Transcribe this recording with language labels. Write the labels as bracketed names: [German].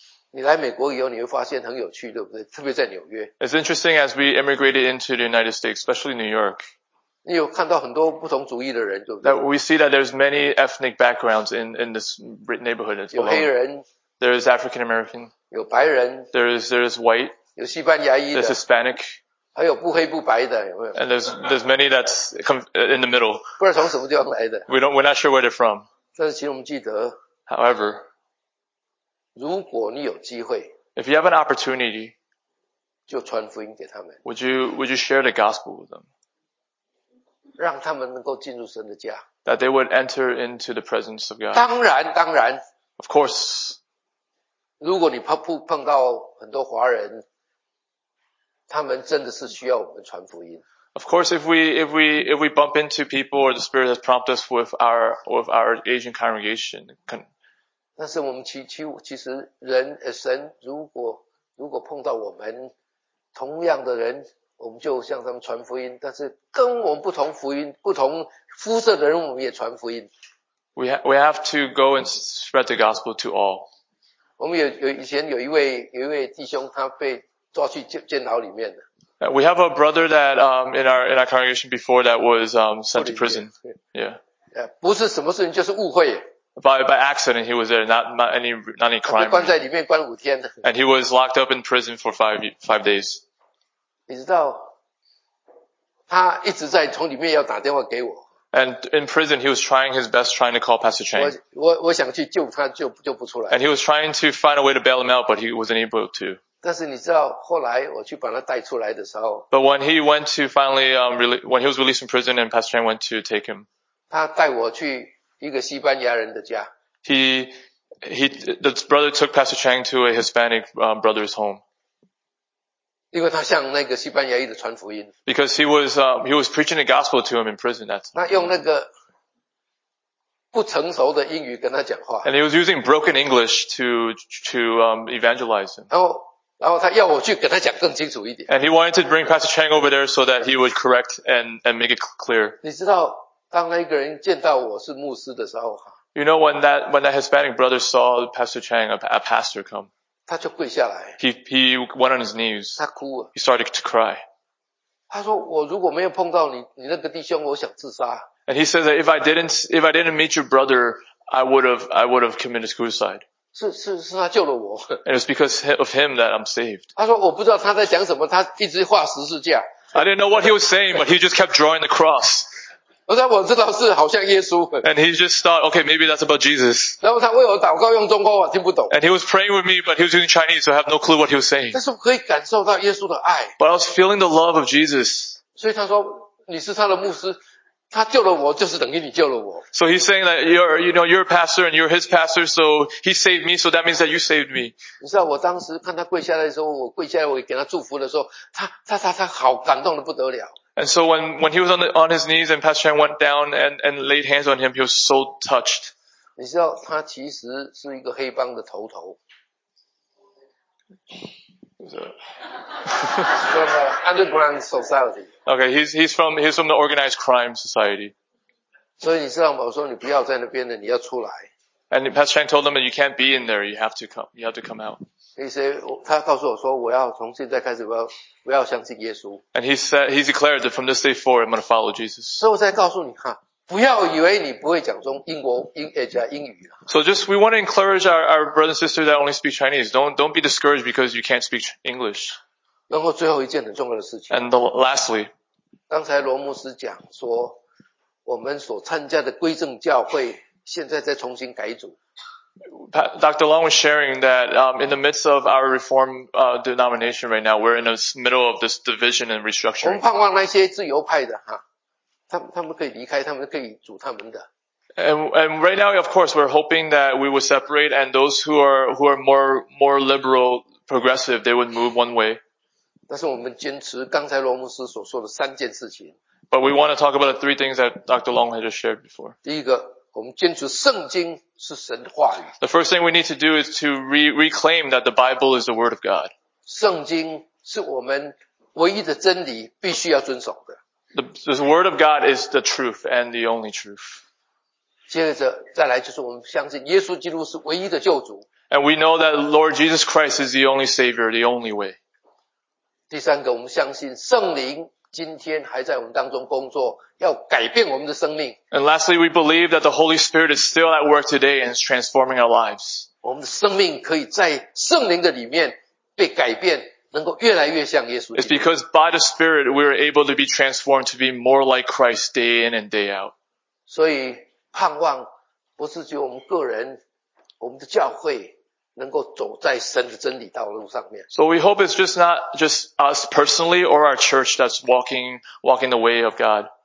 [Chinese] 你来美国以后你会发现很有趣对不对特别在纽约。 [English] It's interesting as we immigrated into the United States, especially New York. [Chinese] 你有看到很多不同族裔的人对不对 [English] that we see that there's many ethnic backgrounds in this neighborhood. [Chinese] 有黑人。 [English] There's African American. [Chinese] 有白人。 [English] There's white. [Chinese] 有西班牙裔的。 [English] There's Hispanic. [Chinese] 还有不黑不白的。有没有 [English] and there's many that's in the middle. [Chinese] 不知道从什么地方来的。 [English] We're not sure where they're from. [Chinese] 但是其实我们记得。 [English] However, [Chinese] 如果你有机会 [English] If you have an opportunity, [Chinese] 就传福音给他们。 [English] Would you share the gospel with them? [Chinese] 让他们能够进入神的家。 [English] That they would enter into the presence of God. [Chinese] 当然。 [English] Of course. [Chinese] 如果你碰到很多华人他们真的是需要我们传福音。 [English] Of course, if we bump into people or the Spirit has prompted us with our Asian congregation, [Chinese] 但是我们其实人神如果碰到我们同样的人我们就向他们传福音但是跟我们不同福音不同肤色的人我们也传福音。 [English] We have to go and spread the gospel to all. [Chinese] 我们有以前有一位弟兄他被抓去监牢里面了。 [English] We have a brother that, in our congregation before that was, sent to prison. Yeah. [Chinese] 不是什么事情就是误会。 [English] By accident, he was there, not any crime. [Chinese] 被关在里面关五天。 [English] And he was locked up in prison for five days. [Chinese] 你知道，他一直在从里面要打电话给我。 [English] And in prison, he was trying his best trying to call Pastor Chang. [Chinese] 我想去救他，救不出来。 [English] And he was trying to find a way to bail him out, but he wasn't able to. [Chinese] 但是你知道，后来我去把他带出来的时候。 [English] But when he went to finally, when he was released from prison and Pastor Chang went to take him. [Chinese] 他带我去一个西班牙人的家。 [English] The brother took Pastor Chang to a Hispanic brother's home. [Chinese] 因为他向那个西班牙裔的传福音。 [English] Because he was preaching the gospel to him in prison. [Chinese] 他用那个不成熟的英语跟他讲话。 [English] And he was using broken English to evangelize him. [Chinese] 然后他要我去跟他讲更清楚一点。 [English] And he wanted to bring Pastor Chang over there so that he would correct and make it clear. [Chinese] 你知道当那个人见到我是牧师的时候 [English] You know when that Hispanic brother saw Pastor Chang, a pastor come. [Chinese] 他就跪下来。 [English] He went on his knees. [Chinese] 他哭了。 [English] He started to cry. [Chinese] 他说我如果没有碰到你，你那个弟兄，我想自杀。 [English] And he says that if I didn't meet your brother, I would have committed suicide. [Chinese] 是他救了我。 [English] And it's because of him that I'm saved. [Chinese] 他说我不知道他在讲什么，他一直画十字架。 [English] I didn't know what he was saying, but he just kept drawing the cross. [Chinese] 我说我知道是好像耶稣。 [English] And he just thought, okay, maybe that's about Jesus. [Chinese] 然后他为我祷告用中文，我听不懂。 [English] And he was praying with me, but he was using Chinese, so I have no clue what he was saying. [Chinese] 但是我可以感受到耶稣的爱。 [English] But I was feeling the love of Jesus. [Chinese] 所以他说你是他的牧师，他救了我就是等于你救了我。 [English] So he's saying that you're a pastor and you're his pastor, so he saved me, so that means that you saved me. [Chinese] 你知道我当时看他跪下来的时候，我跪下来我给他祝福的时候，他好感动得不得了。 [English] And so when he was on his knees and Pastor Chan went down and laid hands on him, he was so touched. [Chinese] 你知道他其实是一个黑帮的头头。 [English] From an underground society. Okay, he's from the organized crime society. [Chinese] 所以你知道吗？我说你不要在那边的，你要出来。 [English] And Pastor Chan told him that you can't be in there. You have to come out. He said, [Chinese] 他告诉我说，我要从现在开始，我要相信耶稣。 [English] And he declared that from this day forward, I'm going to follow Jesus. [Chinese] 所以我再告诉你哈，不要以为你不会讲中英国英而且英语。 [English] So just we want to encourage our brother and sister that only speak Chinese. Don't be discouraged because you can't speak English. [Chinese] 然后最后一件很重要的事情。 [English] And lastly, [Chinese] 刚才罗牧师讲说，我们所参加的归正教会现在在重新改组。 [English] Dr. Long was sharing that in the midst of our reform denomination right now, we're in the middle of this division and restructuring. [Chinese] 我们盼望那些自由派的哈，他们可以离开，他们可以组他们的。 [English] And right now, of course, we're hoping that we would separate, and those who are more liberal, progressive, they would move one way. [Chinese] 但是我们坚持刚才罗牧师所说的三件事情。 [English] But we want to talk about the three things that Dr. Long had just shared before. [Chinese] 第一个，我们坚持圣经是神的话语。 [English] The first thing we need to do is to reclaim that the Bible is the word of God. [Chinese] 圣经是我们唯一的真理，必须要遵守的。 [English] The word of God is the truth and the only truth. [Chinese] 接着再来就是我们相信耶稣基督是唯一的救主。 [English] And we know that Lord Jesus Christ is the only Savior, the only way. [Chinese] 第三个，我们相信圣灵今天还在我们当中工作，要改变我们的生命。 [English] And lastly, we believe that the Holy Spirit is still at work today and is transforming our lives. [Chinese] 我们的生命可以在圣灵的里面被改变，能够越来越像耶稣。 [English] It's because by the Spirit we are able to be transformed to be more like Christ day in and day out. [Chinese] 所以盼望不是只有我们个人，我们的教会能够走在神的真理道路上面。 [English] So we hope it's just not just us personally or our church that's walking the way of God.